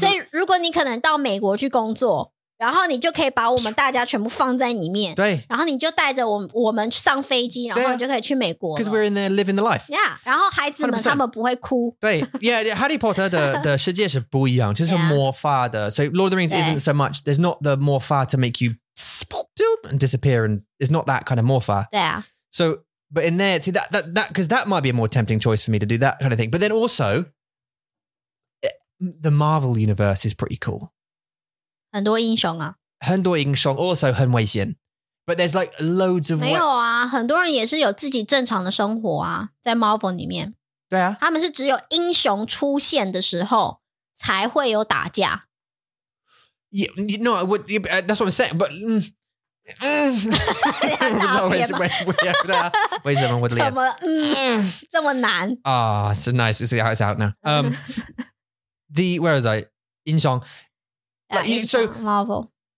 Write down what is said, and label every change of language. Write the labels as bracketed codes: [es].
[zh] 所以如果你可能到美国去工作, 然后你就可以把我们大家全部放在里面. 对。然后你就带着我们上飞机, 然后你就可以去美国了. [en] Because we're in there living the life. Yeah. [zh] 然后孩子们他们不会哭。对, yeah, Harry Potter的世界是不一样, 就是魔法的。 [en] So Lord of the Rings isn't so much, there's not the 魔法 to make you and disappear, and it's not that kind of morpha. Yeah. So, but in there, see that, because that might be a more tempting choice for me to do that kind of thing. But then also, the Marvel universe is pretty cool. [zh] 很多英雄啊。很多英雄, [en] also [zh] 很危险. [en] But there's like loads of. [zh] 没有啊，很多人也是有自己正常的生活啊，在 Marvel 里面。对啊。他们是只有英雄出现的时候才会有打架。 [en] Yeah, you know, that's what I'm saying, but. Wait, someone would leave. Oh, so nice. See how it's out now. Where is I? Inshong. Yeah, so, Marvel.